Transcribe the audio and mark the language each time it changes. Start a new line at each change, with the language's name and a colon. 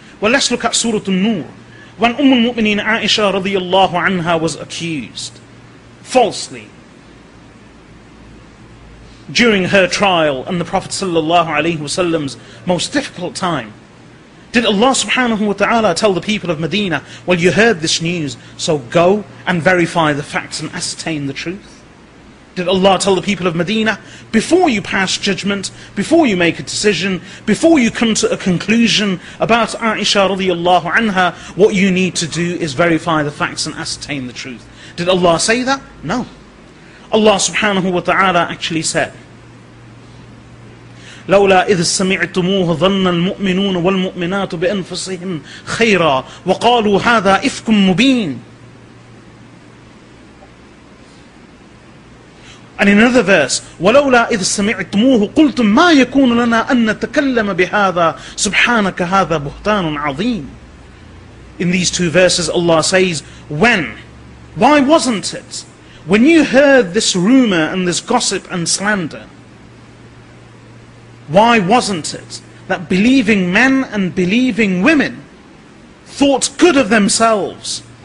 English: Well, let's look at Surah An-Nur. When Ummul Mu'mineen Aisha radiallahu anha was accused falsely during her trial and the Prophet sallallahu alaihi wasallam's most difficult time, did Allah subhanahu wa ta'ala tell the people of Medina, well, you heard this news, so go and verify the facts and ascertain the truth? Did Allah tell the people of Medina, before you pass judgment, before you make a decision, before you come to a conclusion about Aisha radiallahu anha, what you need to do is verify the facts and ascertain the truth? Did Allah say that? No. Allah subhanahu wa ta'ala actually said,
Arabic: لولا إذ سمعتموه ظن المؤمنون والمؤمنات بأنفسهم خيرا وقالوا هذا إفك مبين.
English: And in another verse,
Arabic: ولولا إذ سمعتموه قلتم ما يكون لنا أن نتكلم بهذا سبحانك هذا بهتان عظيم.
English: In these two verses, Allah says, when? Why wasn't it? When you heard this rumor and this gossip and slander, why wasn't it that believing men and believing women thought good of themselves?